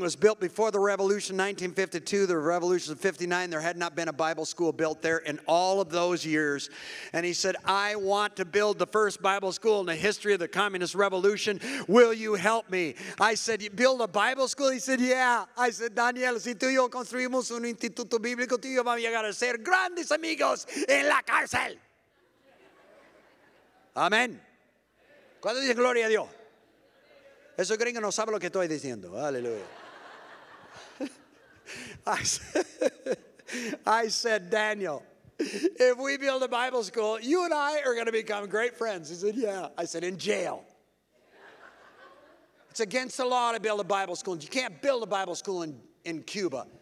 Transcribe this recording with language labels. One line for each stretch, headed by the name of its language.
English: It was built before the revolution, 1952, the revolution of 59. There had not been a Bible school built there in all of those years." And he said, "I want to build the first Bible school in the history of the communist revolution. Will you help me?" I said, "You build a Bible school?" He said, "Yeah." I said,
Spanish: "Daniel, si tú y yo construimos un instituto bíblico, tú y yo vamos a llegar a ser grandes amigos en la cárcel." Amen. ¿Cuándo dice gloria a Dios? Eso gringo no sabe lo que estoy diciendo. Aleluya.
English: I said, "Daniel, if we build a Bible school, you and I are going to become great friends." He said, "Yeah." I said, "In jail." It's against the law to build a Bible school. You can't build a Bible school in Cuba.